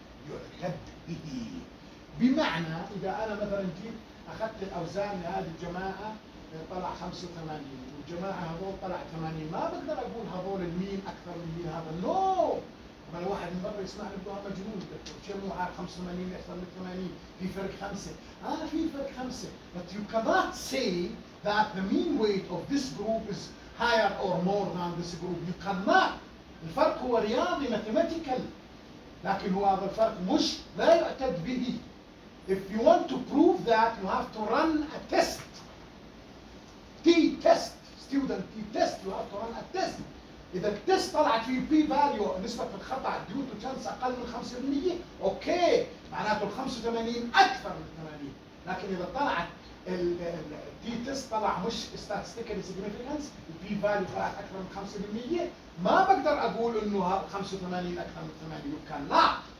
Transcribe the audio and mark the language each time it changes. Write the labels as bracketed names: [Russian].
[Arabic] يعتد به بمعنى اذا انا مثلا جيت اخذت الاوزان لهذه الجماعه طلع 85 والجماعة هذول طلع 80، ما بقدر أقول هذول المين أكثر من مين هذا. [English] No no! [Arabic] أنا واحد من برا يسمعني بقول مجنون دكتور، شو مو عارف 85 أكثر من 80، في فرق خمسة. أنا في فرق خمسة، [English] but you cannot say that the mean weight of this group is higher or more than this group. You cannot. [Arabic] الفرق هو رياضي ماتيماتيكال، لكن هو هذا الفرق مش لا يعتد به. [English] If you want to prove that you have to run a test. T-test, student T-test, you have to run a test. [Arabic] إذا التست طلعت في P-value نسبة الخطأ [English] due to chance [Arabic] أقل من 5%، أوكي، معناته 85 أكثر من 80. لكن إذا طلعت T-test طلع مش [English] statistically significant، [Arabic] P-value طلعت أكثر من 5%، ما بقدر أقول أنه 85 أكثر من 80، يمكن لا.